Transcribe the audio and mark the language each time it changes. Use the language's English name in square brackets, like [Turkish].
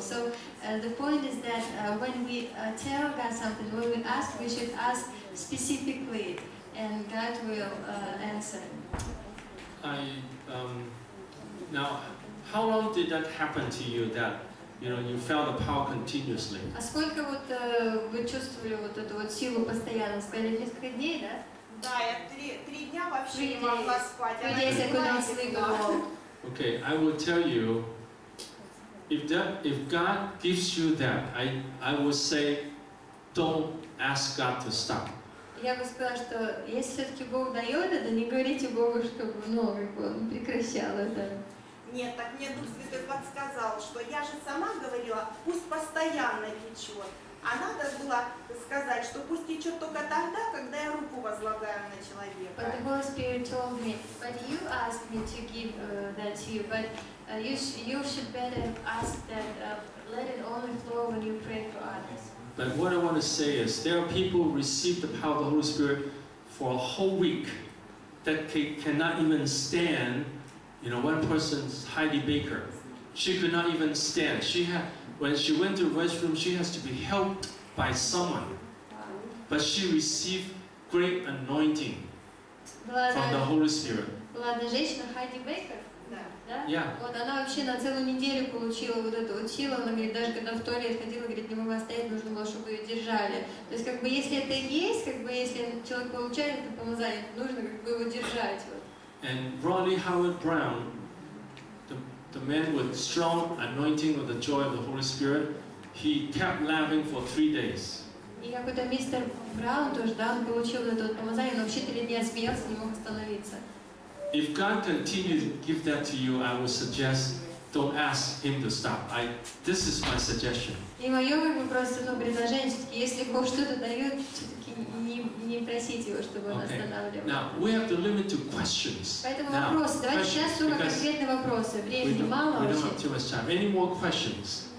[English] So the point is that when we tell God something, when we ask, we should ask specifically, and God will answer. How long did that happen to you, that you felt the power continuously? [Russian] А сколько вот вы чувствовали вот эту вот силу постоянно? Сколько, несколько дней, да? Да, я три дня вообще не могла спать. Три дня, когда я слегла. [English] Okay, I will tell you, if God gives you that, I will say, don't ask God to stop. [Russian] Я бы сказала, что если все-таки Бог дает это, не говорите Богу, чтобы он прекращал это. Нет, так мне Дух Святой подсказал, что я же сама говорила, пусть постоянно течет. А надо было сказать, что пусть течет только тогда, когда я руку возлагаю на человека. [English] But the Holy Spirit told me, but you asked me to give that to you, but you should better ask that, let it only flow when you pray for others. But what I want to say is, there are people who receive the power of the Holy Spirit for a whole week that cannot even stand. You know, one person, Heidi Baker, she could not even stand. She had, when she went to the restroom, she has to be helped by someone. But she received great anointing from the Holy Spirit. [Russian] Ладно, женщина Heidi Baker. Да. [English] Yeah. [Russian] Вот она вообще на целую неделю получила вот эту вот силу. Она говорит, даже когда в туалет ходила, говорит, не могла стоять, нужно было, чтобы ее держали. То есть, как бы, если это есть, как бы, если человек получает это помазание, то нужно как бы его держать. [English] And Ronnie Howard Brown, the man with strong anointing of the joy of the Holy Spirit, he kept laughing for 3 days. [Russian] И какой-то мистер Браун тоже, да, он получил это помазание, но вообще 3 дня смеялся, не мог остановиться. [English] If God continues to give that to you, I would suggest don't ask Him to stop. This is my suggestion. [Russian] И мое просто предложение, все-таки, если Бог что-то дает, не просить его, чтобы он останавливал. [English] Now, we have to limit to questions. [Russian] Поэтому вопросы. Давайте сейчас только конкретные вопросы. Времени мало вообще. [English] We don't have too much time. Any more questions?